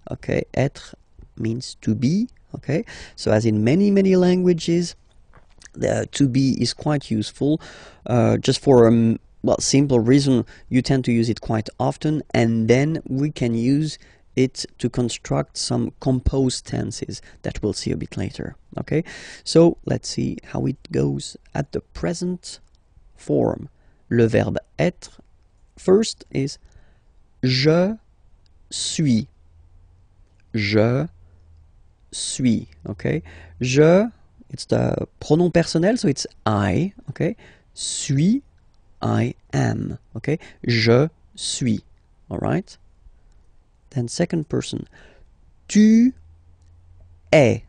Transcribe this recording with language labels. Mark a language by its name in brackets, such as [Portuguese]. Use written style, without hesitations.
[English] Okay, être means to be. Okay, so as in many, many languages, the to be is quite useful just for a simple reason. You tend to use it quite often, and then we can use it to construct some composed tenses that we'll see a bit later. Okay, so let's see how it goes at the present form. [French] Le verbe être [English] first is [French] je suis. Je suis. [English] Okay, je, it's the [French] pronom personnel, [English] so it's I. Okay, suis, I am. Okay, [French] je suis. [English] All right. Then second person, [French] tu es.